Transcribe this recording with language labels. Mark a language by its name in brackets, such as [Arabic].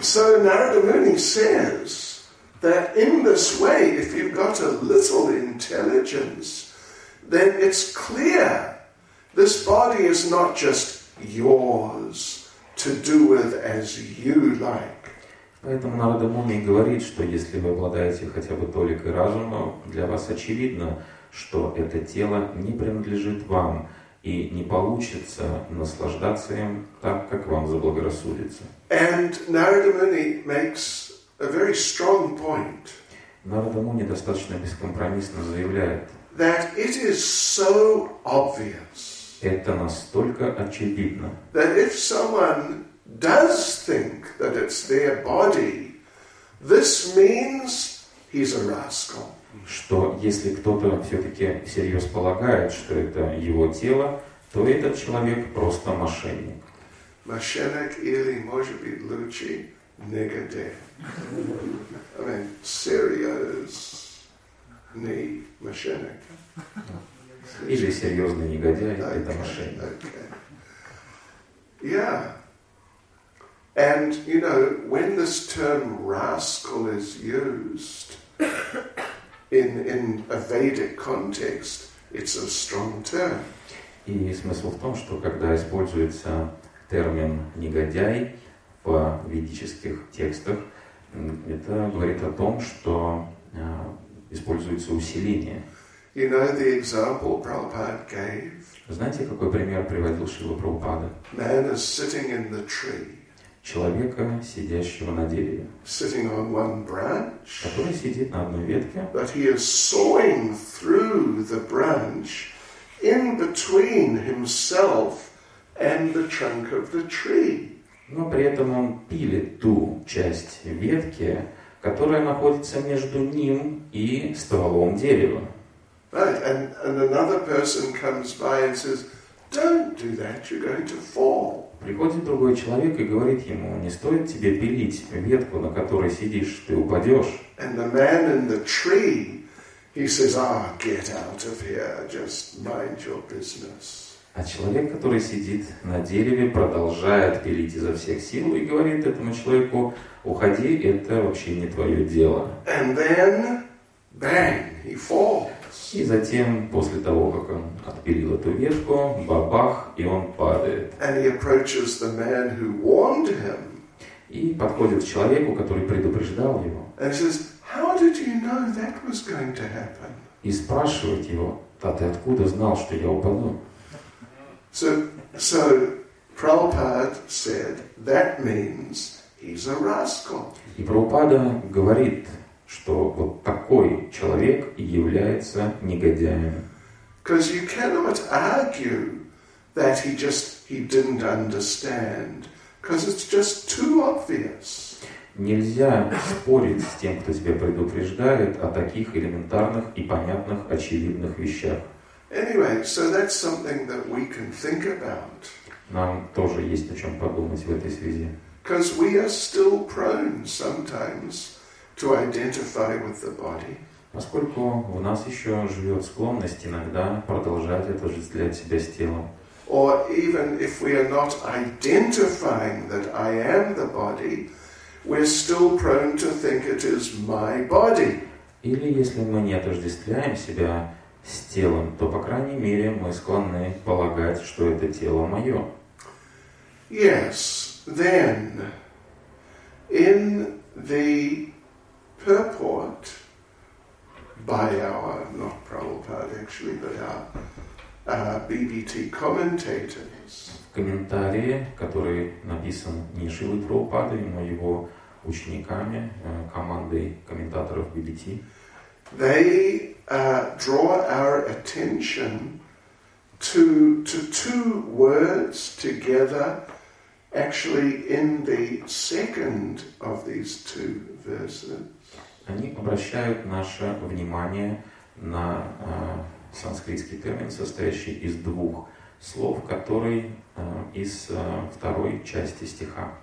[English] So Narada Muni says that in this way, if you've got a little intelligence, then it's clear this body is not just yours to do with as you like. [Russian] Поэтому Нарада Муни говорит, что если вы обладаете хотя бы толикой разума, для вас очевидно, что это тело не принадлежит вам и не получится наслаждаться им так, как вам заблагорассудится. [English] And Narada Muni makes a very strong point. [Russian] Narada Muni достаточно бескомпромиссно заявляет. [English] That it is so obvious. [Russian] Это настолько очевидно. [English] That if someone does think that it's their body, this means he's a rascal. [Russian] Что если кто-то все-таки всерьез полагает, что это его тело, то этот человек просто мошенник. Мошенник или, может быть, лучше, негодяй. [English] I mean, [Russian] серьезный мошенник. Или серьезный негодяй, okay, это мошенник. Okay. Yeah. [English] And, you know, when this term rascal is used, In a Vedic context, it's a strong term. [Russian] И смысл в том, что когда используется термин негодяй в ведических текстах, это говорит о том, что используется усиление. [English] You know the example Prabhupada gave? [Russian] Знаете, какой пример приводил Шрила Прабхупада? [English] Man is sitting in the tree. [Russian] Человека, сидящего на дереве. [English] Sitting on one branch. [Russian] Который сидит на одной ветке. [English] But he is sawing through the branch in between himself and the trunk of the tree. [Russian] Но при этом он пилит ту часть ветки, которая находится между ним и стволом дерева. [English] Right, and another person comes by and says, "Don't do that. You're going to fall." [Russian] Приходит другой человек и говорит ему: "Не стоит тебе пилить ветку, на которой сидишь. Ты упадешь." [English] And the man in the tree, he says, "Ah, get out of here. Just mind your business." [Russian] А человек, который сидит на дереве, продолжает пилить изо всех сил и говорит этому человеку: "Уходи, это вообще не твое дело." [English] And then, bang, he falls. [Russian] И затем, после того, как он отпилил эту ветку, бабах, и он падает. [English] And he approaches the man who warned him. [Russian] И подходит к человеку, который предупреждал его. [English] And he says, "How did you know that was going to happen?" [Russian] И спрашивает его: "А ты откуда знал, что я упаду?" [English] So Prabhupada said that means he's a rascal. [Russian] И Прабхупада говорит, что вот такой человек является негодяем. [English] Because you cannot argue that he didn't understand, because it's just too obvious. [Russian] Нельзя спорить с тем, кто тебя предупреждает о таких элементарных и понятных очевидных вещах. [English] Anyway, so that's something that we can think about. [Russian] Нам тоже есть о чем подумать в этой связи. [English] Because we are still prone sometimes to identify with the body. [Russian] Поскольку у нас еще живет склонность иногда продолжать отождествлять себя с телом. [English] Or even if we are not identifying that I am the body, we're still prone to think it is my body. [Russian] Или если мы не отождествляем себя с телом, то, по крайней мере, мы склонны полагать, что это тело мое. [English] Yes, then, in the purport by our, not Prabhupada actually, but our BBT commentators. [Russian] В комментарии, который написан не Шилой Прабхупадой, но его учениками, командой комментаторов BBT, [English] they draw our attention to two words together, actually in the second of these two verses. [Russian] Они обращают наше внимание на санскритский термин, состоящий из двух слов, который из второй части стиха.